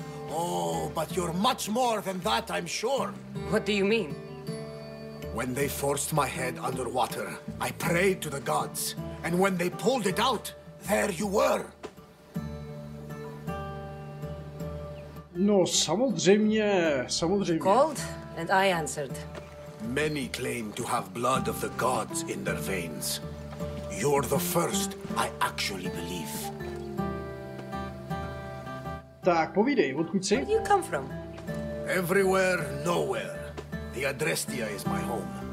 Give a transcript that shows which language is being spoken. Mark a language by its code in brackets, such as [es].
[en] Oh, but you're much more than that, I'm sure. What do you mean? When they forced my head underwater, I prayed to the gods. And when they pulled it out, there you were. [cs] No, samozřejmě, samozřejmě. [en] Called, and I answered. Many claim to have blood of the gods in their veins. You're the first I actually believe. [cs] Tak, povídej, odkud jsi? [en] Where do you come from? Everywhere, nowhere. The Adrestia is my home.